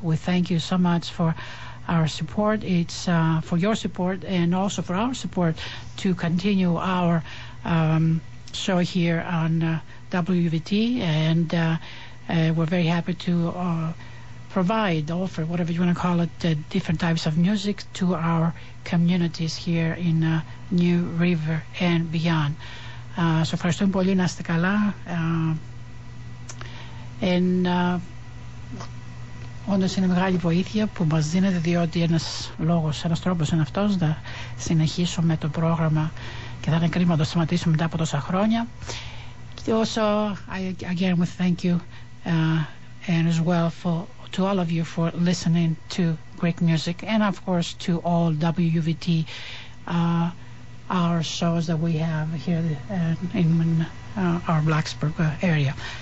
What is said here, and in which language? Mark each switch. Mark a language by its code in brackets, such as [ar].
[en] We thank you so much for our support. It's for your support and also for our support to continue our show here on WVT. And we're very happy to provide, offer, whatever you want to call it, different types of music to our communities here in New River and beyond. So first of all, [el] να είστε καλά. And όντως είναι μεγάλη βοήθεια που μας δίνετε, διότι ένας λόγος, ένας τρόπος είναι αυτός να συνεχίσουμε το πρόγραμμα, και θα είναι κρίμα να το σταματήσουμε μετά από τόσα χρόνια. [en] Και also, again, we thank you and as well for to all of you for listening to Greek music, and of course to all WUVT our shows that we have here in our Blacksburg area.